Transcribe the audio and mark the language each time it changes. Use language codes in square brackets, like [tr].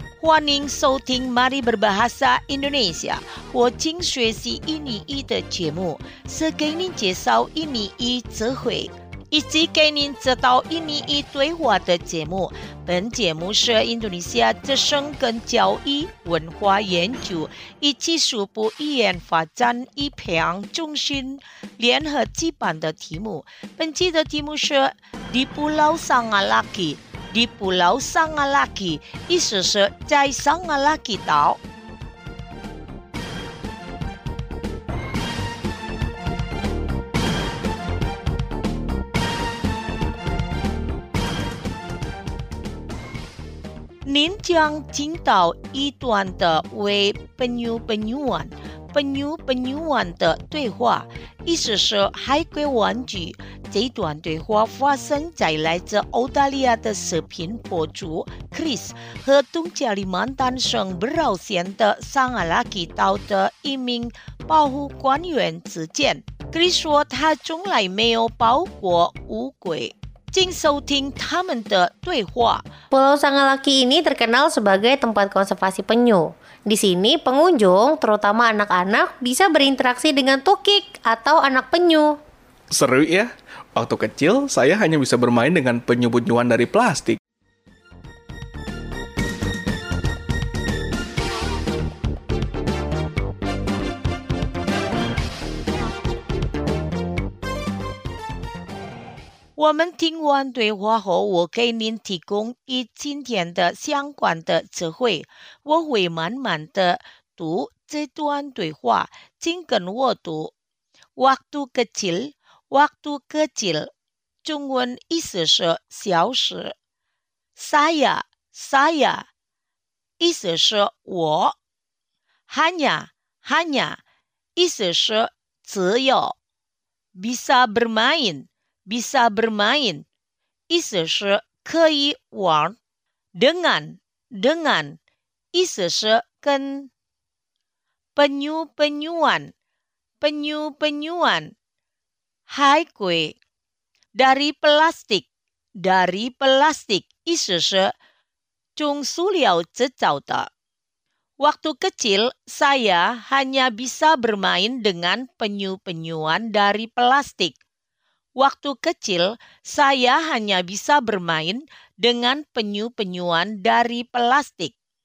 [zh] 欢迎收听 Mari Berbahasa Indonesia 我请学习印尼语的节目，是给您介绍印尼语词汇以及给您指导印尼语对话的节目。本节目是印度尼西亚之声跟教育文化研究以及数部语言发展与培养中心联合举办的题目。本期的题目是 [id] Di Pulau Sangalaki。 Di Pulau Sangalaki， [zh] 意思是在 Sangalaki 岛。您将听到一段的为 [id] Penyu Penyuan [zh] 的对话，意思是海龟玩具。这段对话发生在来自澳大利亚的视频博主 Chris 和东加里曼丹省不饶县的桑阿拉基岛的一名保护官员之间。 Chris 说他从来没有抱过乌龟。请收听他们的对话。 [id] Pulau Sangalaki ini terkenal sebagai tempat konservasi penyu. Di sini pengunjung, terutama anak-anak, bisa berinteraksi dengan tukik atau anak penyu. Seru ya. Waktu kecil, saya hanya bisa bermain dengan penyu-penyuan dari plastik. [zh] 我们听完对话后，我给您提供与今天的相关的词汇。我会慢慢地读这段对话，请跟我读。 [id] Waktu kecil， waktu kecil， [zh] 中文意思是小时。 [id] Saya， saya， [zh] 意思是我。 [id] Hanya， hanya， [zh] 意思是只有。 [id] Bisa bermain。 Bisa bermain， [zh] 意思是可以玩。 [id] Dengan， dengan， [zh] 意思是跟。 [id] Penyu penyuan， penyu penyuan， [zh] 海龟。 [id] Dari plastik， dari plastik， [zh] 意思是从塑料制造的。 [id] Waktu kecil saya hanya bisa bermain dengan penyu penyuan dari plastik。 Waktu kecil, saya hanya bisa bermain dengan penyu-penyuan dari plastik.